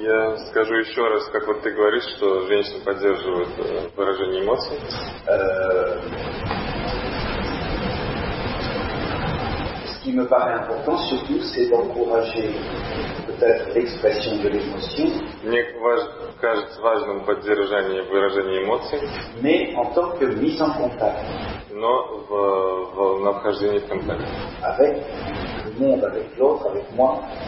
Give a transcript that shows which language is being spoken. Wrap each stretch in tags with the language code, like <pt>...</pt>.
<ru>Я скажу еще раз, как вот ты говоришь, что женщины поддерживают выражение эмоций.</ru> <fr>Ce qui me paraît important, surtout, c'est d'encourager peut-être l'expression de l'émotion.</fr> <ru>Мне кажется важным поддержание выражения эмоций.</ru> <fr>Mais en tant que mise en contact.</fr> <ru>Но в нахождении в контакте.</ru> <fr>Avec le monde, avec l'autre, avec moi.</fr>